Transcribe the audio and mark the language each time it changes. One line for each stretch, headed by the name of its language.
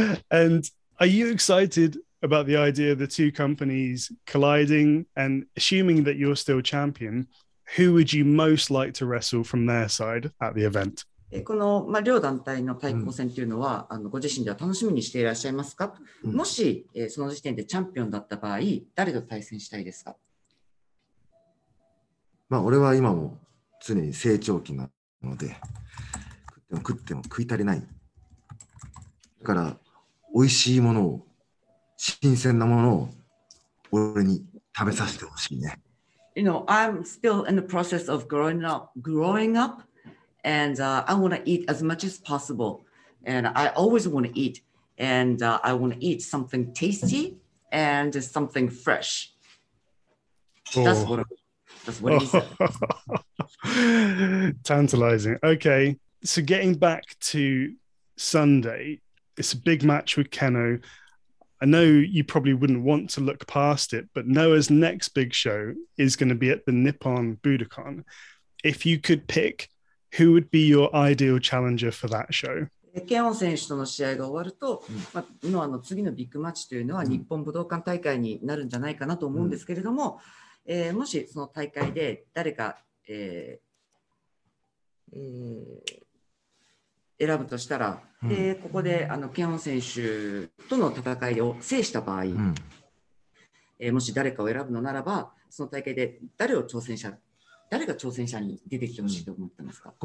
English: And are you excited about the idea of the two companies colliding? And assuming that you're still champion,Who would you most like to wrestle from their side at the event?
Japanese: この、まあ、両団体の対抗戦というのは、あの、ご自身では楽しみにしていらっしゃいますか？もし、その時点でチャンピオンだった場合、誰と対戦したいですか？まあ、俺は今も常に成長期なので、食っても食い足りない。だから、美味しいものを、新鮮なものを、俺に食べさせてほしいね。
English: You know, I'm still in the process of growing up, and I want to eat as much as possible. And I always want to eat, and I want to eat something tasty and something fresh. That's what he said. Tantalizing. Okay, so getting back to Sunday, it's a big match with Kenoh. I know you probably wouldn't want to look past it, but Noah's next big show is going to be at the Nippon Budokan. If you could pick, who would be your ideal challenger for that show?
Japanese: Kenoh 選手との試合が終わると、まあ、ノアの次のビッグマッチというのは日本武道館大会になるんじゃないかなと思うんですけれども、もしその大会で誰か、選ぶとしたら、でここであのケオン選手との戦いを制した場合、もし誰かを選ぶのならば、その大会で誰が挑戦者に出てきてほしいと思ってますか？